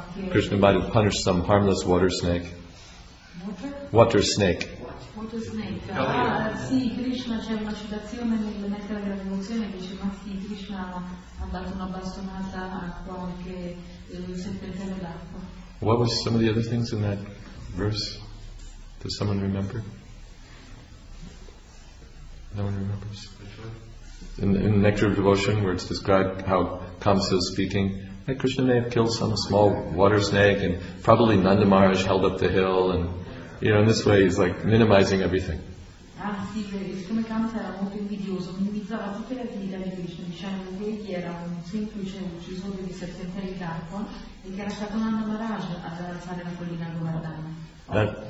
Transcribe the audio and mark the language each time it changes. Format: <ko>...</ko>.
<en>Krishna might have punished some harmless water snake. Water snake. Water snake.</en> <it>Sì, Krishna, c'è una citazione nel Nectar della Devozione che dice, ma sì, Krishna ha dato una bastonata a qualche serpentello d'acqua.</it> <en>What was some of the other things in that verse? Does someone remember? No one remembers. In the Nectar of Devotion, where it's described how Kamsa is speaking, hey, Krishna may have killed some small water snake, and probably Nanda Maharaj held up the hill, and you know, in this way, he's like minimizing everything.</en> <it>Ah, sì, come Kamsa era molto invidioso, minimizzava tutte le attività di Krishna, diciamo che egli era un semplice ucciso di serpentelli d'acqua, e che era stato Nanda Maharaj ad alzare la collina Govardhana.</it>